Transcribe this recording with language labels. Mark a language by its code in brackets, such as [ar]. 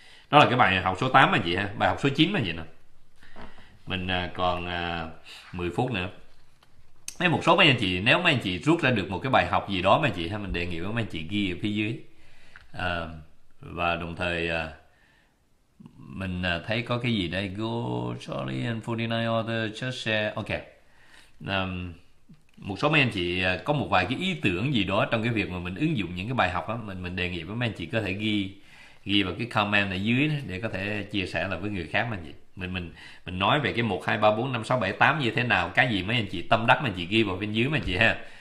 [vi] Đó là cái bài học số 8 anh chị ha. Bài học số 9 anh chị nè. Mình còn 10 phút nữa. Nếu một số mấy anh chị, nếu mấy anh chị rút ra được một cái bài học gì đó mấy anh chị ha, mình đề nghị với mấy anh chị ghi ở phía dưới. Và đồng thời mình thấy có cái gì đây. [en] Go Charlie and 49 others just share. Ok. [vi] Một số mấy anh chị có một vài cái ý tưởng gì đó trong cái việc mà mình ứng dụng những cái bài học đó, mình đề nghị với mấy anh chị có thể ghi vào cái comment ở dưới đó để có thể chia sẻ lại với người khác mấy anh chị. Mình nói về cái 1 2 3 4 5 6 7 8 như thế nào, cái gì mấy anh chị tâm đắc mấy anh chị ghi vào bên dưới mấy anh chị ha.